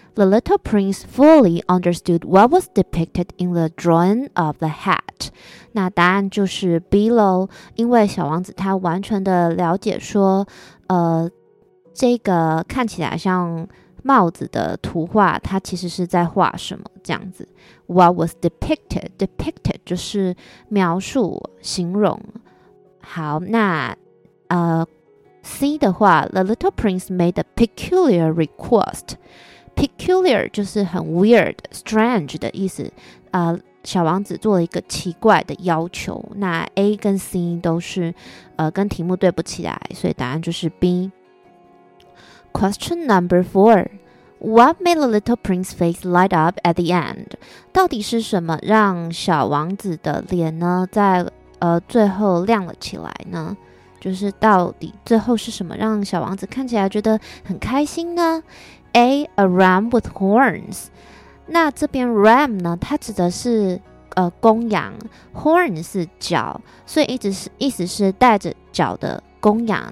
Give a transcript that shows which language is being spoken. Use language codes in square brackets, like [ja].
[en] The little prince fully understood what was depicted in the drawing of the hat. [zh] 那答案就是 B 咯，因为小王子他完全的了解说这个看起来像帽子的图画它其实是在画什么这样子。 [en] What was depicted? Depicted [zh] 就是描述形容。好那C 的话 [en] ,The little prince made a peculiar request. [zh] Peculiar 就是很 weird, strange 的意思。小王子做了一个奇怪的要求。那 A 跟 C 都是跟题目对不起来，所以答案就是 B。 [en] Question number four. What made the little prince's face light up at the end? [zh] 到底是什么让小王子的脸呢在最后亮了起来呢？就是到底最后是什么让小王子看起来觉得很开心呢？ [en] A. A ram with horns. [zh] 那这边 ram 呢它指的是公羊， horn 是角，所以意思是带着角的公羊。